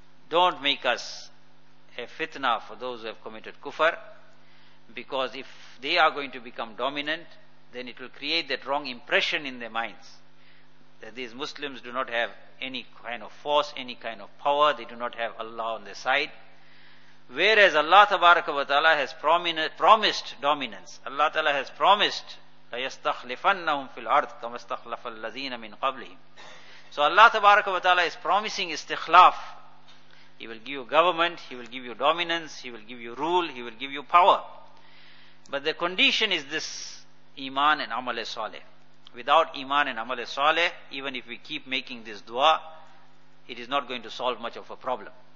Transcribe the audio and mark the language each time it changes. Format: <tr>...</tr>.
<en>Don't make us a fitna for those who have committed kufr, because if they are going to become dominant, then it will create that wrong impression in their minds that these Muslims do not have any kind of force, any kind of power, they do not have Allah on their side. Whereas Allah Tabaraka wa Ta'ala has promised dominance. Allah Ta'ala has promised</en> <ar>لَيَسْتَخْلِفَنَّهُمْ فِي الْأَرْضِ كَمَا اسْتَخْلَفَ الَّذِينَ مِنْ قَبْلِهِمْ.</ar> <en>So Allah Tabaraka wa Ta'ala is promising istikhlaf. He will give you government, He will give you dominance, He will give you rule, He will give you power. But the condition is this, Iman and Amal Saleh. Without Iman and Amal Saleh, even if we keep making this dua, it is not going to solve much of a problem.</en>